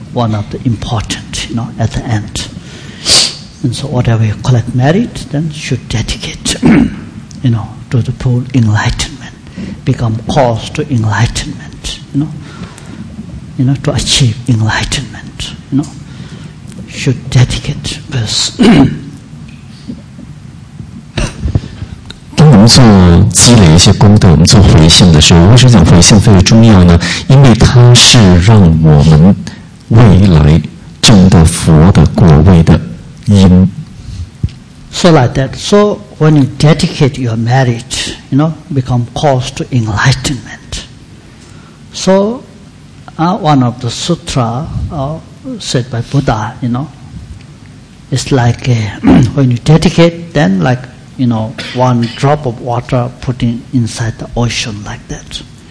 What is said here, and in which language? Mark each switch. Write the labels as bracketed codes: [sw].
[en] one of the important, you know, at the end. And so whatever you collect merit, then should dedicate, you know, to the full enlightenment, become cause to enlightenment, you know, to achieve enlightenment, you know, should dedicate this. [zh] 当我们做积累一些功德，我们做回向的时候，为什么讲回向非常重要呢？因为它是让我们未来证得佛的果位的因。 [en] So like that. So when you dedicate your merit, you know, become cause to enlightenment. So, one of the sutra said by Buddha, you know, it's like when you dedicate, then like, you know, one drop of water putting inside the ocean like that.